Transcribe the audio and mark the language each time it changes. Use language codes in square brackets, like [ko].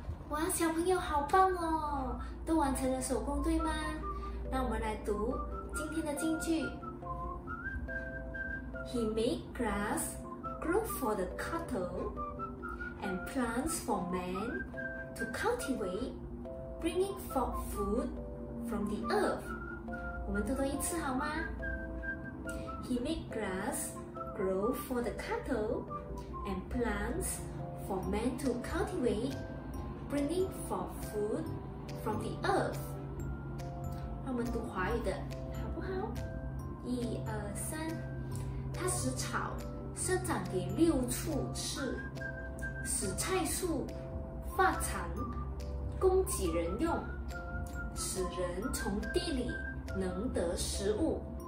[zh] 哇，小朋友好棒哦，都完成了手工，对吗？那我们来读今天的金句。 [en] He made grass grow for the cattle and plants for man to cultivate, bringing forth food from the earth. [zh] 我们读多一次好吗？ [en] He made grass grow for the cattle and plants for man to cultivate, bringing forth food from the earth. [zh] 那我们读华语的好不好？一二三，它使草生长给六畜吃，使菜树发长供给人用，使人从地里能得食物。